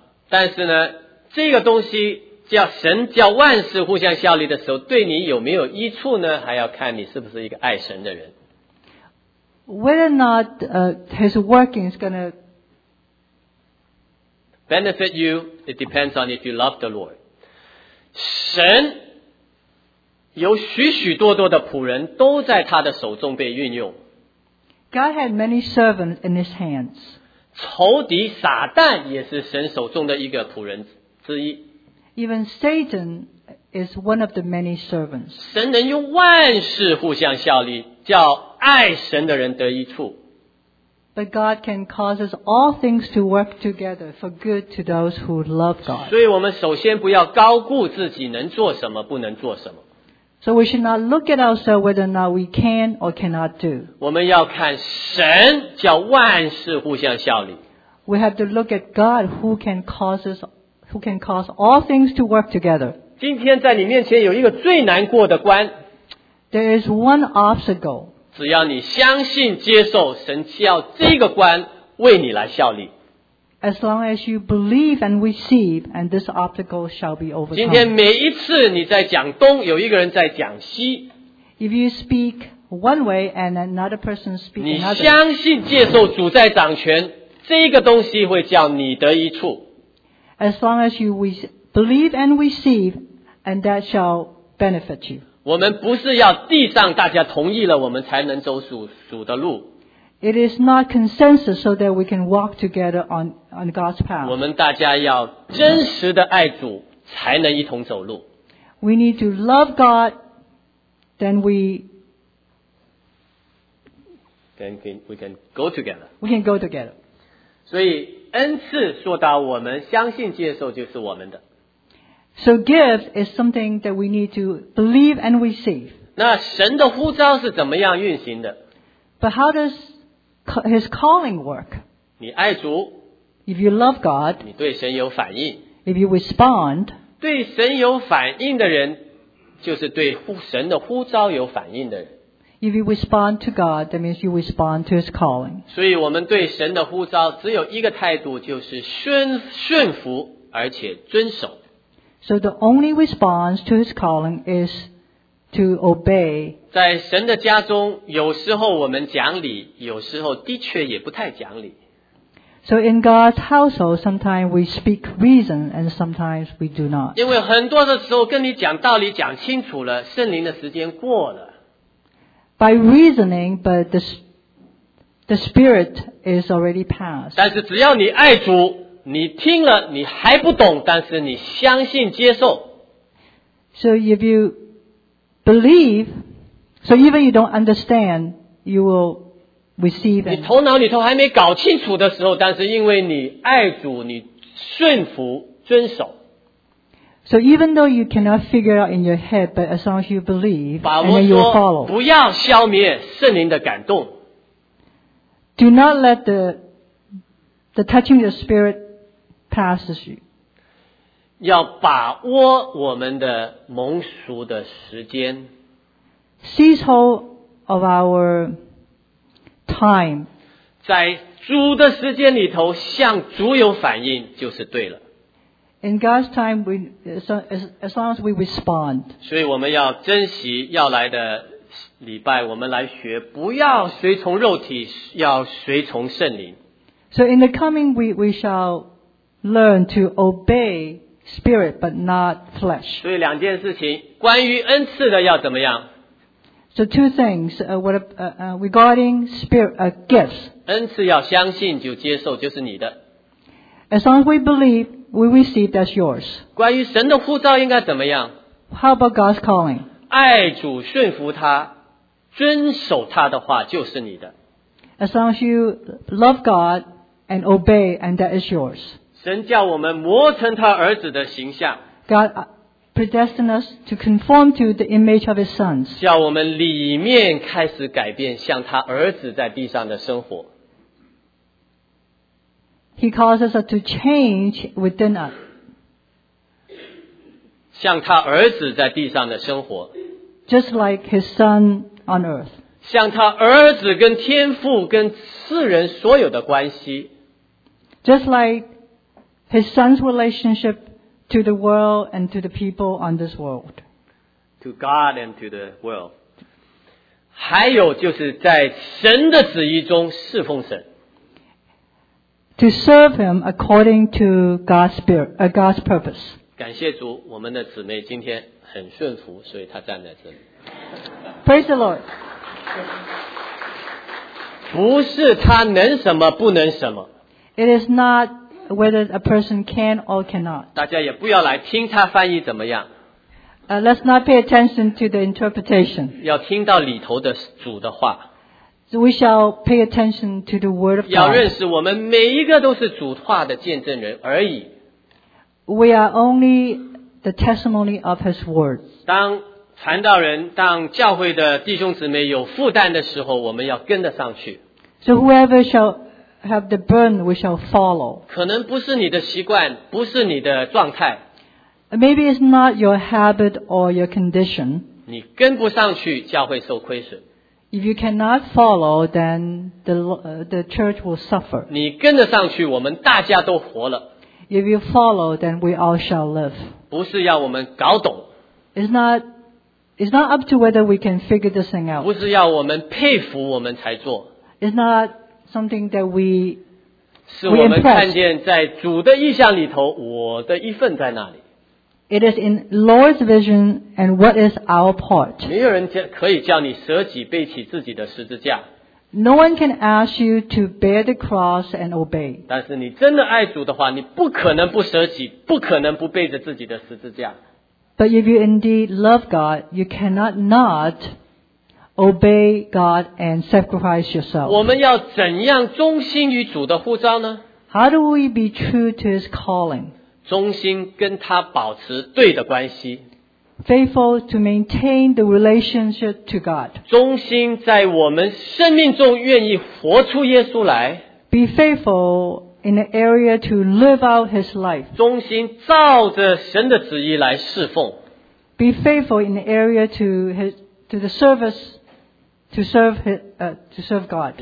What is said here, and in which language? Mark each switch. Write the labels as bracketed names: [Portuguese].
[Chinese] 但是呢，这个东西叫神叫万事互相效力的时候，对你有没有益处呢？还要看你是不是一个爱神的人。 [English] Whether or not His working is going to benefit you, it depends on if you love the Lord. [Chinese] 神有许许多多的仆人都在他的手中被运用。 [English] God had many servants in his hands. [Chinese] 仇敌撒旦也是神手中的一个仆人之一。 [English] Even Satan is one of the many servants. [Chinese] 神能用万事互相效力，叫爱神的人得益处。 [English] But God can cause us all things to work together for good to those who love God. [Chinese] 所以我们首先不要高估自己能做什么，不能做什么。 [English] So we should not look at ourselves whether or not we can or cannot do. [Chinese] 我们要看神叫万事互相效力。 [English] We have to look at God who can cause all things to work together. [Chinese] 今天在你面前有一个最难过的关。 [English] There is one obstacle. [Chinese] 只要你相信接受，神叫这个关为你来效力。 [English] As long as you believe and receive, and this obstacle shall be overcome. [Chinese] 今天每一次你在讲东，有一个人在讲西。 [English] If you speak one way and another person speaks another, [Chinese] 你相信接受主在掌权，这个东西会叫你得益处。 [English] As long as you believe and receive, and that shall benefit you. [Chinese] 我们不是要地上大家同意了，我们才能走主的路。 [English] It is not consensus so that we can walk together on God's path. [Chinese] 我们大家要真实的爱主，才能一同走路。 [English] We need to love God, then we can go together. We can go together. [Chinese] 所以恩赐说到我们相信接受就是我们的。 [English] So gift is something that we need to believe and receive. [Chinese] 那神的呼召是怎么样运行的？ [English] But how does His calling work. [Chinese] 你爱主, [English] if you love God, [Chinese] 你对神有反应, [English] if you respond, [Chinese] 对神有反应的人, 就是对神的呼召有反应的人。 [English] If you respond to God, that means you respond to His calling. [Chinese] 所以我们对神的呼召只有一个态度, 就是顺服而且遵守。 [English] So the only response to His calling is to obey. [Chinese] 在神的家中，有时候我们讲理，有时候的确也不太讲理。 [English] So in God's household, sometimes we speak reason and sometimes we do not. [Chinese] 因为很多的时候跟你讲道理讲清楚了，圣灵的时间过了。 [English] By reasoning, but the spirit is already passed. [Chinese] 但是只要你爱主，你听了你还不懂，但是你相信接受。 [English] So if you believe,So even you don't understand, you will receive. [Chinese] 你头脑里头还没搞清楚的时候，但是因为你爱主，你顺服遵守。 [English] So even though you cannot figure out in your head, but as long as you believe, and then you follow. [Chinese] 不要消灭圣灵的感动。 [English] Do not let the touching of the spirit passes you. [Chinese] 要把握我们的蒙赎的时间。 [English] Seize hold of our time. [Chinese] 在主的时间里头，向主有反应就是对了。 [English] In God's time, as long as we respond. [Chinese] 所以我们要珍惜要来的礼拜，我们来学，不要随从肉体，要随从圣灵。 [English] So in the coming week, we shall learn to obey spirit, but not flesh. [Chinese] 所以两件事情，关于恩赐的要怎么样？ [English] So two things, regarding spirit, gifts. [Chinese] 恩赐要相信就接受就是你的。 [English] As long as we believe, we receive, that's yours. [Chinese] 关于神的呼召应该怎么样？ [English] How about God's calling? [Chinese] 爱主顺服他遵守他的话就是你的。 [English] As long as you love God and obey, and that is yours. [Chinese] 神叫我们磨成他儿子的形象。 [English] God predestined us to conform to the image of his sons. [Chinese] 叫我们里面开始改变像他儿子在地上的生活。 [English] He calls us to change within us. [Chinese] 像他儿子在地上的生活。 [English] Just like his son on earth. [Chinese] 像他儿子跟天父跟世人所有的关系。 [English] Just like his son's relationship to the world and to the people on this world. To God and to the world. [Chinese] 还有就是在神的旨意中侍奉神。 [English] To serve him according to God's spirit, God's purpose. [Chinese] 感谢主，我们的姊妹今天很顺服，所以她站在这里。 [English] Praise the Lord. [Chinese] 不是他能什么不能什么。 [English] It is not whether a person can or cannot. [Chinese] 大家也不要来听他翻译怎么样。 [English] Let's not pay attention to the interpretation. [Chinese] 要听到里头的主的话。 [English] So we shall pay attention to the word of God. [Chinese] 要认识我们每一个都是主话的见证人而已。 [English] We are only the testimony of his words. [Chinese] 当传道人当教会的弟兄姊妹有负担的时候我们要跟得上去。 [English] So whoever shall have the burden, we shall follow. [Chinese] 可能不是你的习惯不是你的状态。 [English] Maybe it's not your habit or your condition. [Chinese] 你跟不上去教会受亏损。 [English] If you cannot follow, then the church will suffer. [Chinese] 你跟得上去我们大家都活了。 [English] If you follow, then we all shall live. [Chinese] 不是要我们搞懂。 [English] It's not up to whether we can figure this thing out. [Chinese] 不是要我们佩服我们才做。 [English] It's not something that we impress. [Chinese] 是我们看见在主的意象里头我的一份在那里。 [English] It is in Lord's vision and what is our part. [Chinese] 没有人可以叫你舍己背起自己的十字架。 [English] No one can ask you to bear the cross and obey. [Chinese] 但是你真的爱主的话你不可能不舍己不可能不背着自己的十字架。 [English] But if you indeed love God, you cannot not obey God and sacrifice yourself. [Chinese] 我们要怎样忠心于主的呼召呢？ [English] How do we be true to his calling? [Chinese] 忠心跟他保持对的关系。 [English] Faithful to maintain the relationship to God. [Chinese] 忠心在我们生命中愿意活出耶稣来。 [English] Be faithful in the area to live out his life. [Chinese] 忠心照着神的旨意来侍奉。 [English] Be faithful in the area to serve God.